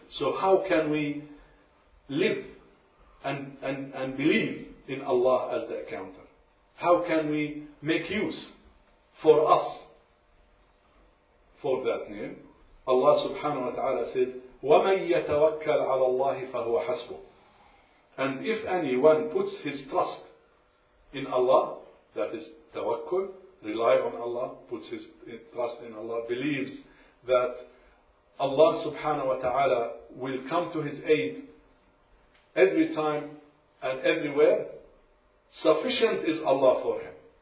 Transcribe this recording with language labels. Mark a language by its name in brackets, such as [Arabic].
[English] So how can we live and believe in Allah as the accounter? How can we make use for us for that name? Allah subhanahu wa ta'ala says, [Arabic] وَمَنْ يَتَوَكَّلْ عَلَى اللَّهِ فَهُوَ حَسْبُهُ. [English] And if anyone puts his trust in Allah, that is tawakkul, rely on Allah, puts his trust in Allah, believes that Allah subhanahu wa ta'ala will come to his aid every time and everywhere, sufficient is Allah for him.